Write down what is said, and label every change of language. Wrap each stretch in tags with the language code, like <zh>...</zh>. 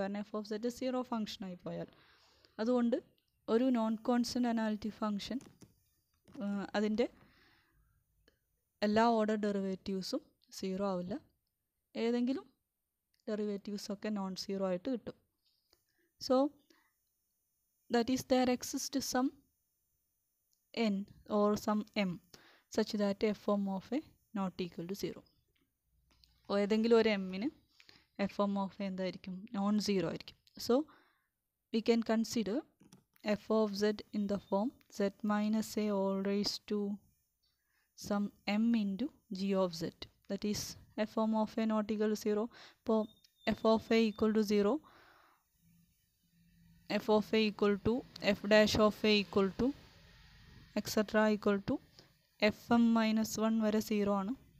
<ml>കാരണം F of Z zero ഫംഗ്ഷനായി പോയാൽ, അതുകൊണ്ട് ഒരു നോൺ കോൺസ്റ്റൻ്റ് അനാലിറ്റി ഫംഗ്ഷൻ അതിൻ്റെ എല്ലാ ഓർഡർ ഡെറിവേറ്റീവ്സും സീറോ ആവില്ല. ഏതെങ്കിലും ഡെറിവേറ്റീവ്സൊക്കെ നോൺ സീറോ ആയിട്ട് കിട്ടും.</ml> <en>So, that is, there exists some n or some m such that f of a not equal to 0.</en> <ml>Or ഏതെങ്കിലും ഒരു m ന് f of a എന്തായിരിക്കും? നോൺ സീറോ ആയിരിക്കും.</ml> <en>So we can consider f of z in the form z minus a whole raise to some m into g of set. That is f of a not equal to 0.</en> <ml>ഇപ്പോൾ</ml> <en>f of a equal to 0, f of a equal to f dash of a equal to etcetera equal to f m minus one</en> <ml>വരെ zero ആണ്.</ml>